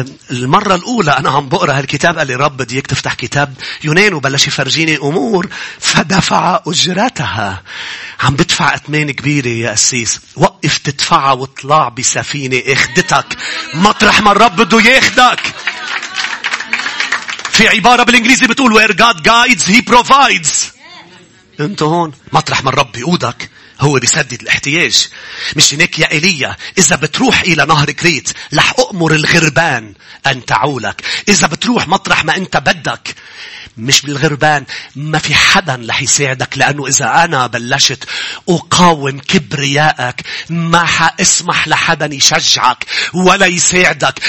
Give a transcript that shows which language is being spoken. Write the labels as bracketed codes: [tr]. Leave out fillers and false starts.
[ar] المرة الأولى أنا عم بقرأ هالكتاب قال لي رب ديك تفتح كتاب يونان وبلش يفرجيني أمور فدفع أجرتها. عم بدفع أثمان كبيرة يا أسيس، وقف تدفعها وطلع بسفينة اخدتك مطرح ما الرب بده ياخدك. في عبارة بالإنجليزي بتقول [en] where God guides he provides. [ar] انت هون مطرح ما الرب بيقودك هو بيسدد الاحتياج. مش هناك يا إيليا، إذا بتروح إلى نهر كريت لح أؤمر الغربان أن تعولك. إذا بتروح مطرح ما أنت بدك مش بالغربان، ما في حدا لح يساعدك، لأنه إذا أنا بلشت أقاوم كبرياءك ما حاسمح لحدا يشجعك ولا يساعدك.